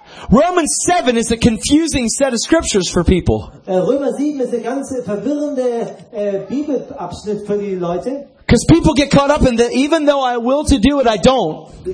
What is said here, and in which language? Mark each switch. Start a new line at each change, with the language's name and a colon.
English: Romans 7 is a confusing set of scriptures for people.
German: Römer 7 ist eine ganz verwirrende Bibelabschnitt für die Leute.
English: Because people get caught up in that, even though I will to do it, I don't.